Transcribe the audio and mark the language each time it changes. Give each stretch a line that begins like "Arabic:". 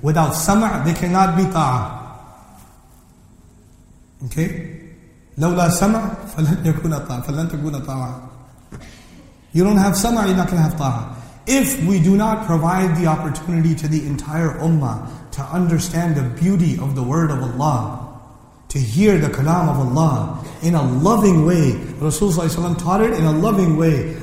English: Without سَمَعْ, they cannot be ta'ah. Okay?
Arabic: لَوْلَا سَمَعْ فَلَنْ يَكُونَ ta'ah. فَلَنْ تَكُونَ ta'ah.
English: You don't have سَمَعْ, you're not going to have ta'ah. If we do not provide the opportunity to the entire ummah to understand the beauty of the word of Allah, to hear the kalam of Allah in a loving way, Rasulullah ﷺ taught it in a loving way.